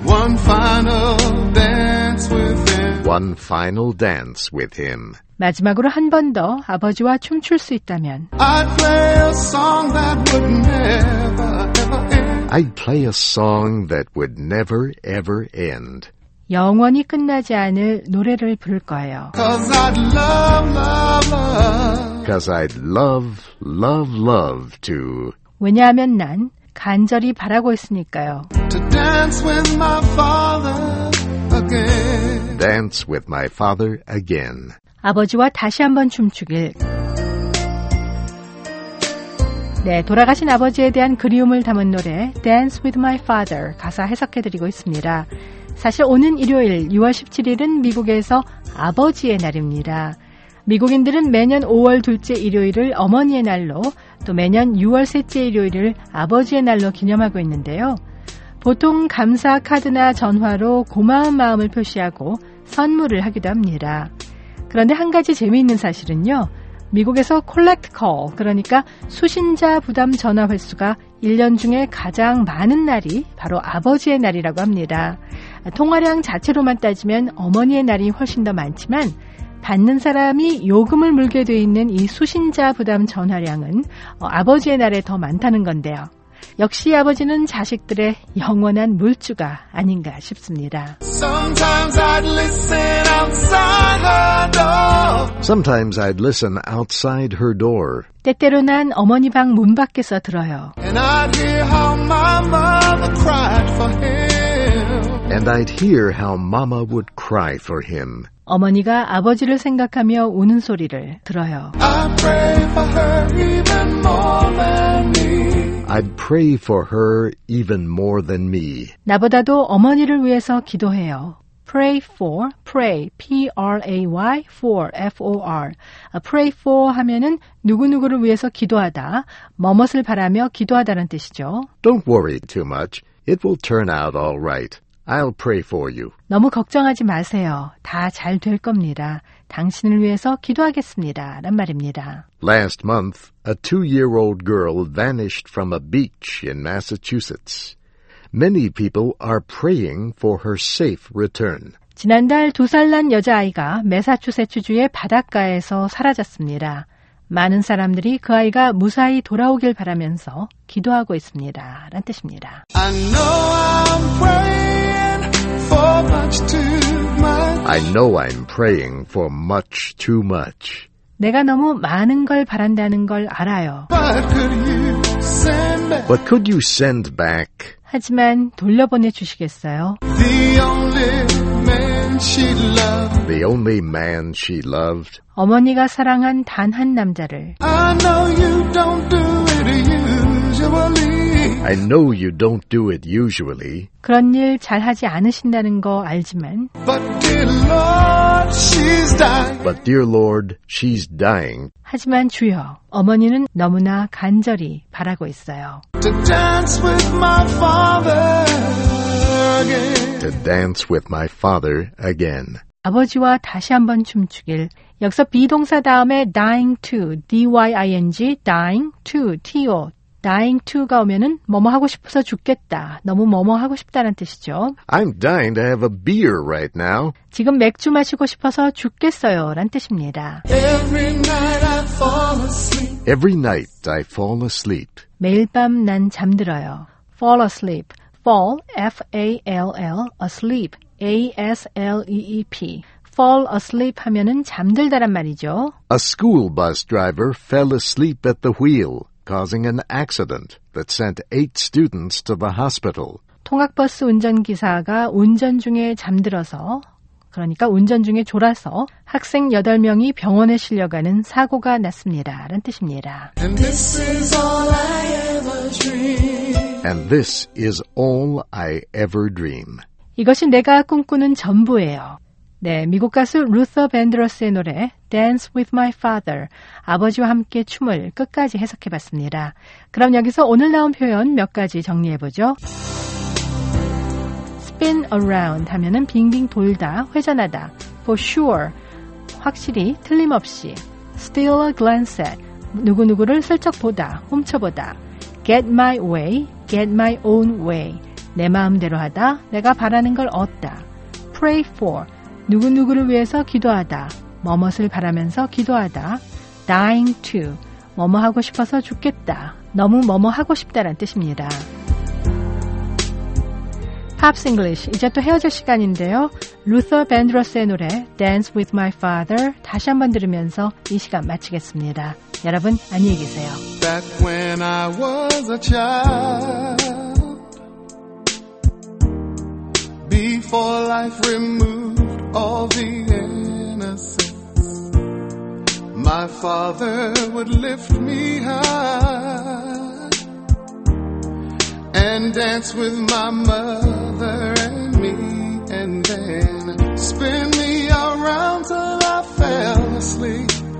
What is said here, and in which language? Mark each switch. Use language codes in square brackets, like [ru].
[en] One final dance with him. One final dance with him. [ko] 마지막으로 한 번 더 아버지와 춤출 수 있다면. [en] I'd play a song that would never ever end. I'd play a song that would never ever end. [ko] 영원히 끝나지 않을 노래를 부를 거예요. [en] Cause I'd love, love, love. Cause I'd love, love, love to. [ko] 왜냐하면 난 간절히 바라고 있으니까요. [en] To dance with my father again. Dance with my father again. [ko] 아버지와 다시 한번 춤추길. 네, 돌아가신 아버지에 대한 그리움을 담은 노래 Dance with my father 가사 해석해드리고 있습니다. 사실 오는 일요일 6월 17일은 미국에서 아버지의 날입니다. 미국인들은 매년 5월 둘째 일요일을 어머니의 날로 또 매년 6월 셋째 일요일을 아버지의 날로 기념하고 있는데요. 보통 감사 카드나 전화로 고마운 마음을 표시하고 선물을 하기도 합니다. 그런데 한 가지 재미있는 사실은요. 미국에서 콜렉트 콜, 그러니까 수신자 부담 전화 횟수가 1년 중에 가장 많은 날이 바로 아버지의 날이라고 합니다. 통화량 자체로만 따지면 어머니의 날이 훨씬 더 많지만 받는 사람이 요금을 물게 돼 있는 이 수신자 부담 전화량은 아버지의 날에 더 많다는 건데요. 역시 아버지는 자식들의 영원한 물주가 아닌가 싶습니다. [en] Sometimes I'd listen outside her door. Sometimes I'd listen outside her door. [ko] 때때로 난 어머니 방 문 밖에서 들어요. [en] And I'd hear how my mother cried for him. And I'd hear how mama would cry for him. [ko] 어머니가 아버지를 생각하며 우는 소리를 들어요. [en] I pray for her even more than me. I'd pray for her even more than me. [ko] 나보다도 어머니를 위해서 기도해요. [en] Pray for, pray, P-R-A-Y, for, F-O-R. [ko] Pray for 하면은 누구누구를 위해서 기도하다, 뭐뭇을 바라며 기도하다는 뜻이죠. [en] Don't worry too much. It will turn out all right. I'll pray for you. [ko] 너무 걱정하지 마세요. 다 잘 될 겁니다. 당신을 위해서 기도하겠습니다. 란 말입니다. [en] Last month, a two-year-old girl vanished from a beach in Massachusetts. Many people are praying for her safe return. [ko] 지난달 두 살 난 여자아이가 매사추세츠주의 바닷가에서 사라졌습니다. 많은 사람들이 그 아이가 무사히 돌아오길 바라면서 기도하고 있습니다. 란 뜻입니다. [en] I know I'm praying for much too. I know I'm praying for much too much. [ko] 내가 너무 많은 걸 바란다는 걸 알아요. [en] But could you send back? But could you send back? [ko] 하지만 돌려보내 주시겠어요? [en] The only man she loved. The only man she loved. [ko] 어머니가 사랑한 단 한 남자를. [en] I know you don't do it usually. I know you don't do it usually. [ko] 그런 일 잘 하지 않으신다는 거 알지만. [en] But dear Lord, she's dying. But dear Lord, she's dying. [ko] 하지만 주여, 어머니는 너무나 간절히 바라고 있어요. [en] To dance with my father again. To dance with my father again. [ko] 아버지와 다시 한번 춤추길. 여기서 비동사 다음에 dying to, D-Y-I-N-G, dying to, T-O. Dying to가 오면은 뭐뭐 하고 싶어서 죽겠다. 너무 뭐뭐 하고 싶다는 뜻이죠. [en] I'm dying to have a beer right now. [ko] 지금 맥주 마시고 싶어서 죽겠어요. 라는 뜻입니다. [en] Every night I fall asleep. Every night I fall asleep. [ko] 매일 밤 난 잠들어요. [en] Fall asleep. Fall, F-A-L-L, asleep, A-S-L-E-E-P. [ko] Fall asleep 하면은 잠들다란 말이죠. [en] A school bus driver fell asleep at the wheel. Causing an accident that sent eight students to the hospital. [ko] 통학버스 운전기사가 운전 중에 잠들어서, 그러니까 운전 중에 졸아서 학생 8명이 병원에 실려가는 사고가 났습니다. 라는 뜻입니다. [en] And this is all I ever dream. And this is all I ever dream. [ko] 이것이 내가 꿈꾸는 전부예요. 네, 미국 가수 루서 밴드러스의 노래 Dance with my father, 아버지와 함께 춤을 끝까지 해석해봤습니다. 그럼 여기서 오늘 나온 표현 몇 가지 정리해보죠. Spin around 하면은 빙빙 돌다, 회전하다. For sure, 확실히, 틀림없이. [en] Steal a glance at, [ko] 누구누구를 슬쩍 보다, 훔쳐보다. [en] Get my way, get my own way, [ko] 내 마음대로 하다, 내가 바라는 걸 얻다. Pray for, 누구누구를 위해서 기도하다, 뭐뭇을 바라면서 기도하다. Dying to, 뭐뭐 하고 싶어서 죽겠다, 너무 뭐뭐 하고 싶다란 뜻입니다. 팝스 잉글리시 이제 또 헤어질 시간인데요. 루터 밴드러스의 노래 Dance with my father 다시 한번 들으면서 이 시간 마치겠습니다. 여러분 안녕히 계세요. [en] Back when I was a child Before life removed all the innocence My father would lift me high And dance with my mother and me And then spin me around till I fell asleep